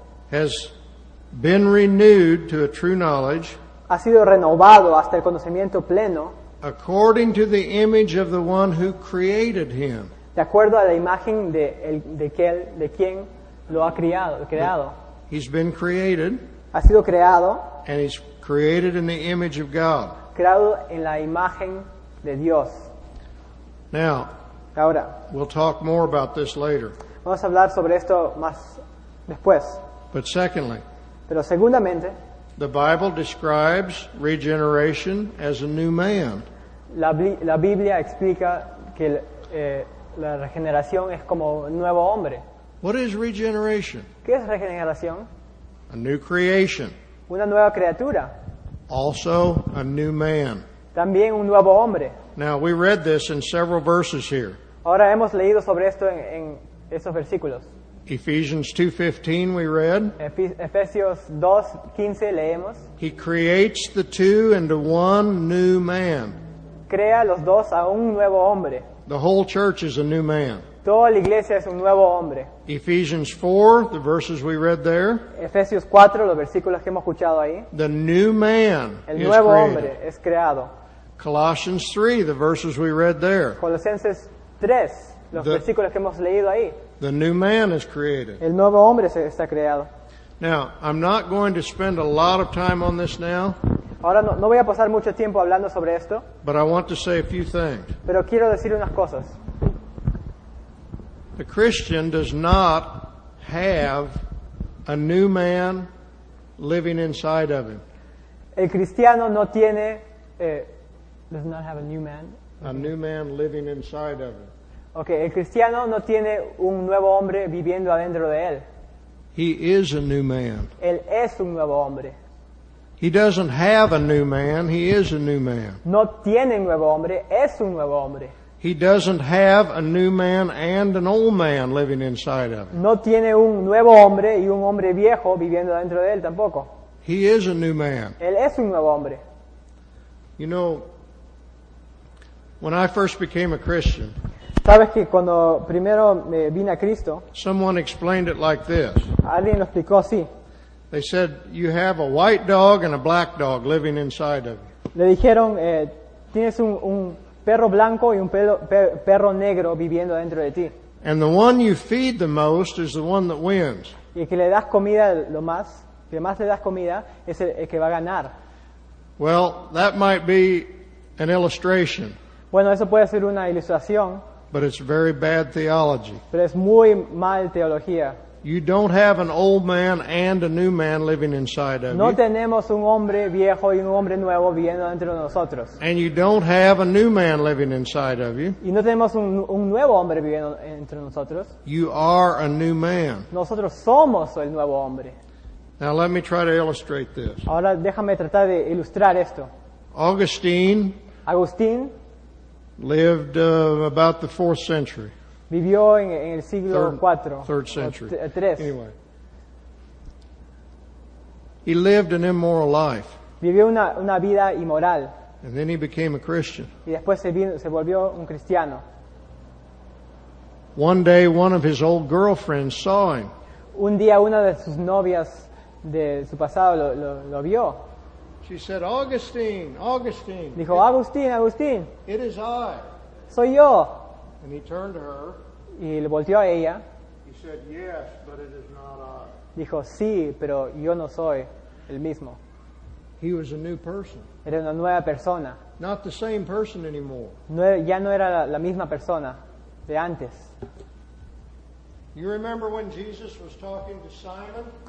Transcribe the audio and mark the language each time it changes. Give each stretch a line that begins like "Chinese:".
English: has been renewed to a true knowledge,
Spanish: ha sido renovado hasta el conocimiento pleno,
English: according to the image of the one who created him.
Spanish: De acuerdo a la imagen de quien lo ha creado.
English: He's been created.
Spanish: Ha sido creado.
English: And he's created in the image of God.
Spanish: Creado en la imagen de Dios.
English: Now,
Spanish: ahora,
English: we'll talk more about this later.
Spanish: Vamos a hablar sobre esto más después.
English: But secondly,
Spanish: pero segundamente,
English: the Bible describes regeneration as a new man.
Spanish: La Biblia explica que la regeneración es como un nuevo hombre.
English: What is regeneration?
Spanish: ¿Qué es regeneración?
English: A new creation.
Spanish: Una nueva criatura.
English: Also a new man.
Spanish: También un nuevo hombre.
English: Now we read this in several verses here.
Spanish: Ahora hemos leído sobre esto en esos versículos.
English: Ephesians 2:15 we read.
Spanish: Efesios 2:15 leemos.
English: He creates the two into one new man.
Spanish: Crea los dos a un nuevo hombre.
English: The whole church is a new man.
Spanish: Toda la iglesia es un nuevo hombre.
English: Ephesians 4, the verses we read there.
Spanish: Efesios 4, los versículos que hemos escuchado ahí.
English: The new man is created.
Spanish: El nuevo hombre es creado.
English: Colossians 3, the verses we read there.
Spanish: Colosenses 3, los versículos que hemos leído ahí.
English: The new man is created.
Spanish: El nuevo hombre está creado.
English: Now, I'm not going to spend a lot of time on this now.
Spanish: Ahora no voy a pasar mucho tiempo hablando sobre esto.
English: But I want to say a few things.
Spanish: Pero quiero decir unas cosas.
English: The Christian does not have a new man living inside of him.
Spanish: El cristiano no tiene
English: does not have a new man. A new man living inside of him.
Spanish: Okay, el cristiano no tiene un nuevo hombre viviendo adentro de él.
English: He is a new man.
Spanish: Él es un nuevo hombre.
English: He doesn't have a new man, he is a new man.
Spanish: No tiene nuevo hombre, es un nuevo hombre.
English: He doesn't have a new man and an old man living inside of him.
Spanish: No tiene un nuevo hombre y un hombre viejo viviendo dentro de él tampoco.
English: He is a new man.
Spanish: Él es un nuevo hombre.
English: You know, when I first became a Christian,
Spanish: ¿sabes que cuando primero me vine a Cristo,
English: someone explained it like this.
Spanish: Alguien lo explicó así.
English: They said, you have a white dog and a black dog living inside of you.
Spanish: Le dijeron, tienes un perro blanco y un perro negro viviendo dentro de ti.
English: And the one you feed the most is the one that wins.
Spanish: Y el que le das comida lo más, que más le das comida es el que va a ganar.
English: Well, that might be an illustration.
Spanish: Bueno, eso puede ser una ilustración.
English: But it's very bad theology.
Spanish: Pero es muy mal teología.
English: You don't have an old man and a new man living inside of you.
Spanish: No tenemos un hombre viejo y un hombre nuevo viviendo dentro de nosotros.
English: And you don't have a new man living inside of you.
Spanish: Y no tenemos un nuevo hombre viviendo entre nosotros.
English: You are a new man.
Spanish: Nosotros somos el nuevo hombre.
English: Now let me try to illustrate this.
Spanish: Ahora déjame tratar de ilustrar esto.
English: Agustín lived about the 4th century.
Spanish: Vivió en el siglo
English: third century.
Spanish: Tres.
English: Anyway. He lived an immoral life.
Spanish: Vivió una vida inmoral.
English: And then he became a Christian.
Spanish: Y después se volvió un cristiano.
English: One day one of his old girlfriends saw him.
Spanish: Un día una de sus novias de su pasado lo vio.
English: She said, Augustine.
Spanish: Dijo, Agustín.
English: It is I.
Spanish: Soy yo.
English: And he turned to her.
Spanish: Y le volteó a ella.
English: He said, yes, but it is not I.
Spanish: Dijo, sí, pero yo no soy el mismo.
English: He was a new person.
Spanish: Era una nueva persona.
English: Not the same person anymore.
Spanish: No, ya no era la misma persona de antes.
English: You remember when Jesus was talking to Simon?